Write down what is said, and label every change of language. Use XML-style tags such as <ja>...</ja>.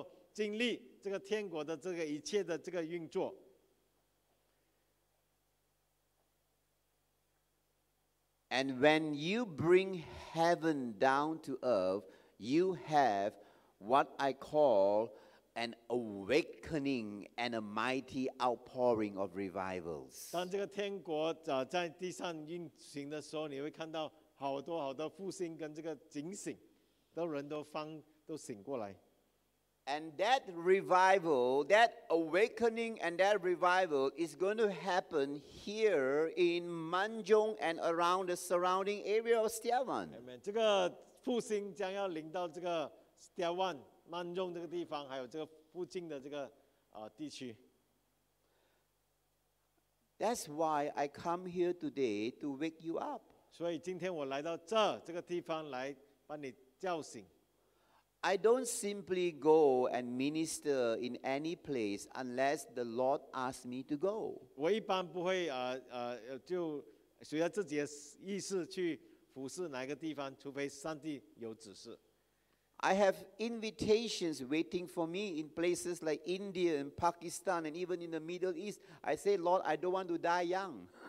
<zh>就好像天国就是降临到地上，所以我们在地上的时候也能够经历这个天国的这个一切的这个运作。</zh> <en>And when you bring heaven down to earth, you have what I call an awakening and a mighty outpouring of revivals.</en> <zh>当这个天国在地上运行的时候，你会看到好多好多复兴跟这个警醒，都人都醒过来。</zh> <en>And that revival, that awakening and that revival is going to happen here in Manjung and around the surrounding area of Stiawan.</en> <zh>Amen. 这个复兴将要临到这个 Stiawan, Manjung 这个地方，还有这个附近的这个地区。</zh> <en>That's why I come here today to wake you up.</en> <zh>所以今天我来到这个地方来把你叫醒。</zh> <en>I don't simply go and minister in any place unless the Lord asks me to go.</en> <zh>我一般不会就随着自己的意思去服侍哪个地方，除非上帝有指示。</zh> <en>I have invitations waiting for me in places like India and Pakistan and even in the Middle East. I say, Lord, I don't want to die young.</en>